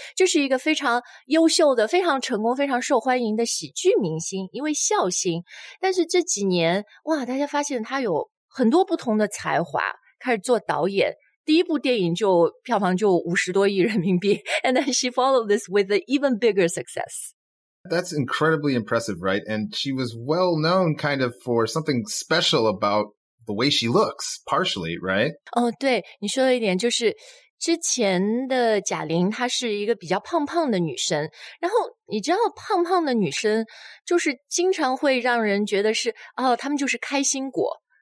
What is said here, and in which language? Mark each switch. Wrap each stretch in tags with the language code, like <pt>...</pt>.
<zh>就是一个非常优秀的、非常成功、非常受欢迎的喜剧明星，因为笑星。但是这几年，哇，大家发现她有很多不同的才华，开始做导演。第一部电影就票房就50多亿人民币。</zh> <en>And then she followed this with an even bigger success. That's incredibly impressive, right? And she was well known kind of for something special about... The way she looks, partially, right?</en> <zh>Oh, 对，你说了一点，就是之前的贾玲，她是一个比较胖胖的女生。然后你知道，胖胖的女生就是经常会让人觉得是哦，她们就是开心果。</zh>